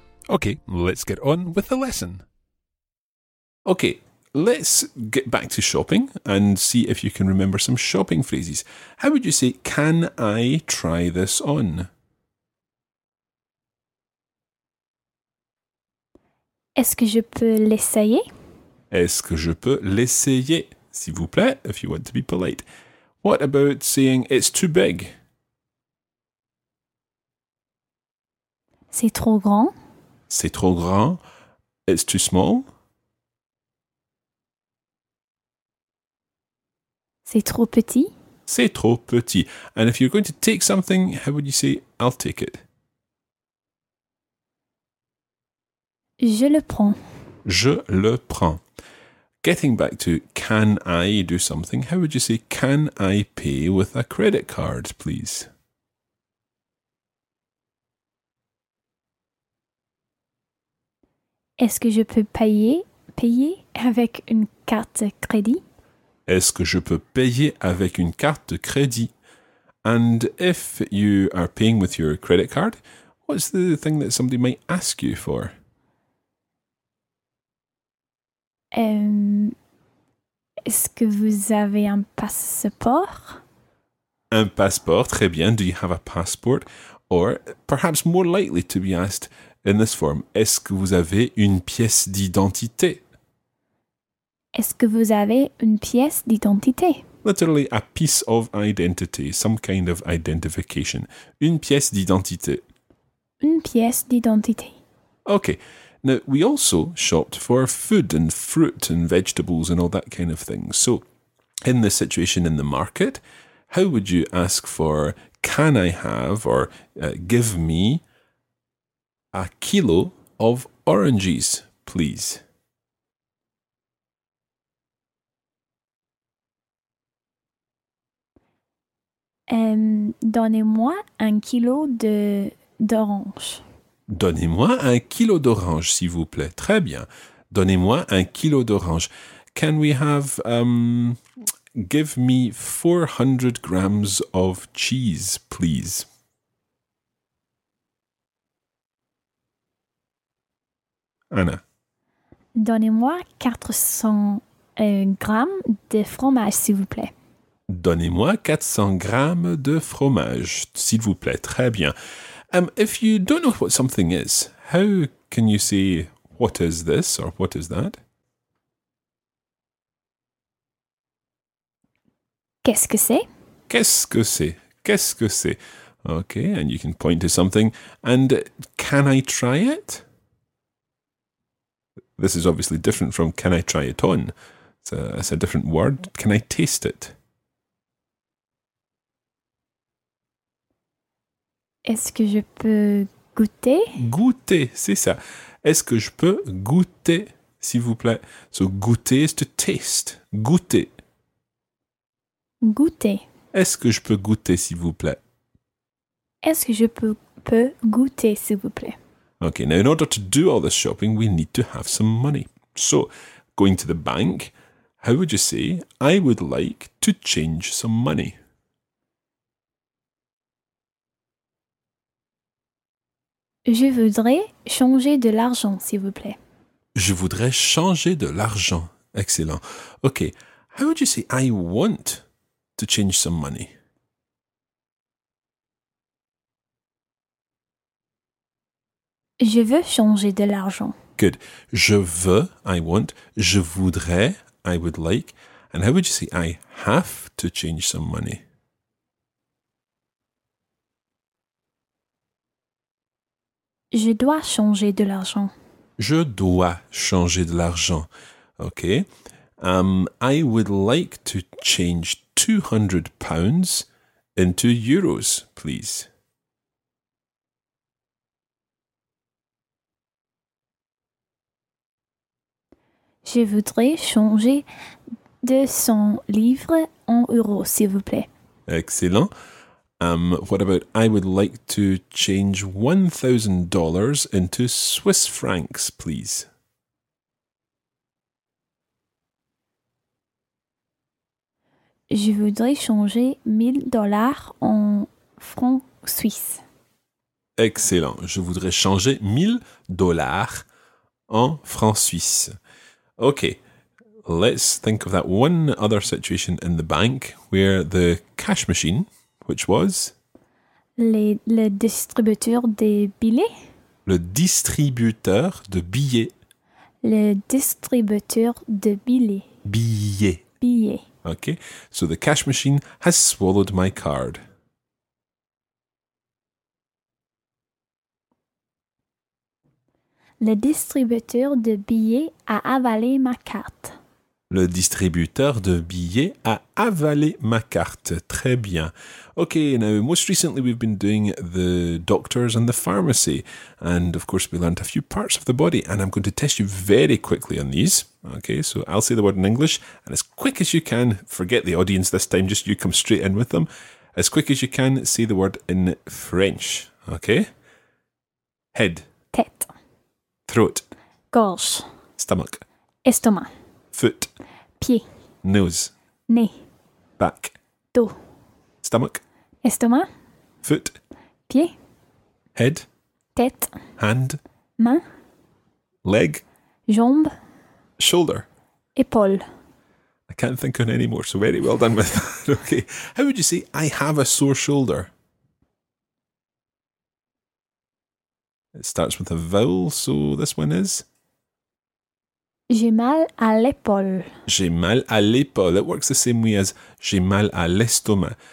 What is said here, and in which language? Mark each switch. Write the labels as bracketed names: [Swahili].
[English] Okay, let's get on with the lesson. Okay, let's get back to shopping and see if you can remember some shopping phrases. How would you say, can I try this on? [French] Est-ce que je peux l'essayer? Est-ce que je peux l'essayer, s'il vous plaît, [English] if you want to be polite. What about saying, it's too big? [French] C'est trop grand. C'est trop grand. [English] It's too small. [French] C'est trop petit. C'est trop petit. [English] And if you're going to take something, how would you say, I'll take it? [French] Je le prends. Je le prends. [English] Getting back to, can I do something? How would you say, can I pay with a credit card, please? [French] Est-ce que je peux payer avec une carte de crédit? Est-ce que je peux payer avec une carte de crédit? [English] And if you are paying with your credit card, what's the thing that somebody might ask you for? [French] Est-ce que vous avez un passeport? Un passeport, très bien. [English] Do you have a passport? Or perhaps more likely to be asked in this form, [French] est-ce que vous avez une pièce d'identité? Est-ce que vous avez une pièce d'identité? [English] Literally, a piece of identity, some kind of identification. [French] Une pièce d'identité. Une pièce d'identité. [English] Okay. Now, we also shopped for food and fruit and vegetables and all that kind of thing. So, in this situation in the market, how would you ask for, can I have or give me a kilo of oranges, please? [French] Donnez-moi un kilo d'orange. Donnez-moi un kilo d'orange, s'il vous plaît. Très bien. Donnez-moi un kilo d'orange. [English] Can we have, give me 400 grams of cheese, please? Anna. [French] Donnez-moi 400 grammes de fromage, s'il vous plaît. Donnez-moi 400 grammes de fromage, s'il vous plaît. Très bien. [English] If you don't know what something is, how can you say, what is this or what is that? [French] Qu'est-ce que c'est? Qu'est-ce que c'est? Qu'est-ce que c'est? [English] Okay, and you can point to something. And can I try it? This is obviously different from can I try it on. It's a different word. Can I taste it? [French] Est-ce que je peux goûter? Goûter, c'est ça. Est-ce que je peux goûter, s'il vous plaît? [English] So, goûter is to taste. Goûter. [French] Goûter. Est-ce que je peux goûter, s'il vous plaît? Est-ce que je peux goûter, s'il vous plaît? [English] Okay, now in order to do all this shopping, we need to have some money. So, going to the bank, how would you say, I would like to change some money? [French] Je voudrais changer de l'argent, s'il vous plaît. Je voudrais changer de l'argent. [English] Excellent. Okay. How would you say I want to change some money? [French] Je veux changer de l'argent. [English] Good. [French] Je veux, [English] I want. [French] Je voudrais, [English] I would like. And how would you say I have to change some money? [French] Je dois changer de l'argent. Je dois changer de l'argent. [English] OK. I would like to change 200 pounds into euros, please. [French] Je voudrais changer 200 livres en euros, s'il vous plaît. [English] Excellent. What about, I would like to change $1,000 into Swiss francs, please. [French] Je voudrais changer $1,000 en francs suisses. [English] Excellent. [French] Je voudrais changer 1,000 dollars en francs suisses. [English] OK. Let's think of that one other situation in the bank where the cash machine, which was? [French] Le distributeur de billets. Le distributeur de billets. Le distributeur de billets. Billets. Billets. [English] OK. So the cash machine has swallowed my card. [French] Le distributeur de billets a avalé ma carte. Le distributeur de billets a avalé ma carte. Très bien. [English] OK, now, most recently we've been doing the doctors and the pharmacy. And, of course, we learned a few parts of the body. And I'm going to test you very quickly on these. OK, so I'll say the word in English. And as quick as you can, forget the audience this time, just you come straight in with them. As quick as you can, say the word in French. OK? Head. [French] Tête. [English] Throat. [French] Gorge. [English] Stomach. [French] Estomac. [English] Foot. [French] Pied. [English] Nose. [French] Nez. [English] Back. [French] Dos. [English] Stomach. [French] Estomac. [English] Foot. [French] Pied. [English] Head. [French] Tête. [English] Hand. [French] Main. [English] Leg. [French] Jambe. [English] Shoulder. [French] Épaule. [English] I can't think on any more, so very well done with that. Okay. How would you say, I have a sore shoulder? It starts with a vowel, so this one is? [French] J'ai mal à l'épaule. J'ai mal à l'épaule. [English] It works the same way as [French] j'ai mal à l'estomac.